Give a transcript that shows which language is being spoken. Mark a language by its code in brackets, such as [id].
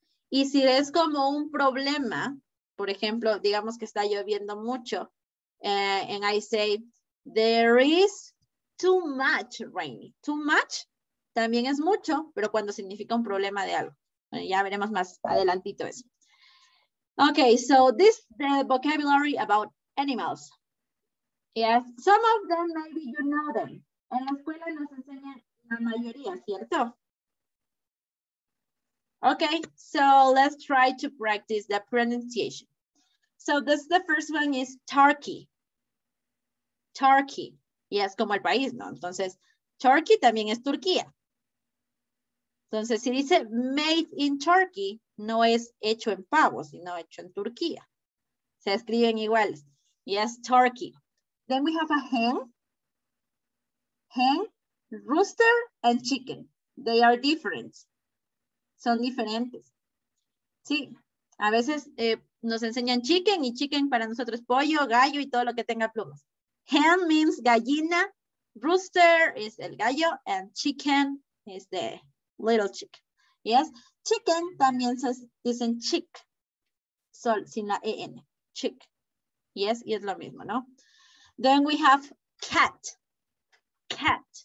[es] Y si es como un problema, por ejemplo, digamos que está lloviendo mucho, [en] and I say there is too much rain. [es] Too much también es mucho, pero cuando significa un problema de algo. Bueno, ya veremos más adelantito eso. [en] Okay, so this is the vocabulary about animals. Yes, some of them, maybe you know them. [es] En la escuela nos enseñan la mayoría, ¿cierto? [en] Okay, so let's try to practice the pronunciation. So this, the first one is turkey. Turkey. [es] Yes, como el país, ¿no? Entonces, turkey también es Turquía. Entonces, si dice [en] made in Turkey, [es] no es hecho en pavo, sino hecho en Turquía. Se escriben iguales. [en] Yes, turkey. Then we have a hen. Hen, rooster, and chicken. They are different. [es] Son diferentes. Sí, a veces nos enseñan chicken y chicken para nosotros pollo, gallo y todo lo que tenga plumas. [en] Hen means gallina. Rooster is [es] el gallo [en] and chicken is the little chicken. [es] Yes. Chicken también se dicen chick. Sol, sin la en. Chick. Yes. Y es lo mismo, ¿no? [en] Then we have cat. Cat.